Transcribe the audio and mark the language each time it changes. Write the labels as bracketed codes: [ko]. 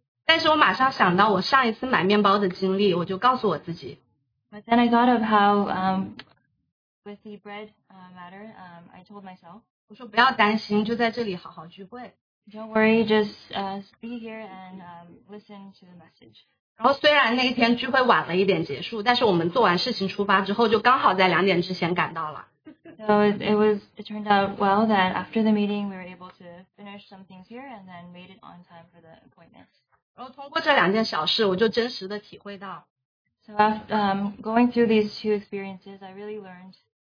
[en] But then I thought of how, with the bread matter, I told myself, [zh] 我说不要担心, [en] don't worry, just be here and listen to the message. [zh] 然后虽然那天聚会晚了一点结束，但是我们做完事情出发之后，就刚好在两点之前赶到了。 [en] So it was, it turned out well that after the meeting, we were able to finish some things here and then made it on time for the appointment. [zh] 然后通过这两件小事，我就真实的体会到。 [en] So after, going through these two experiences, I really learned.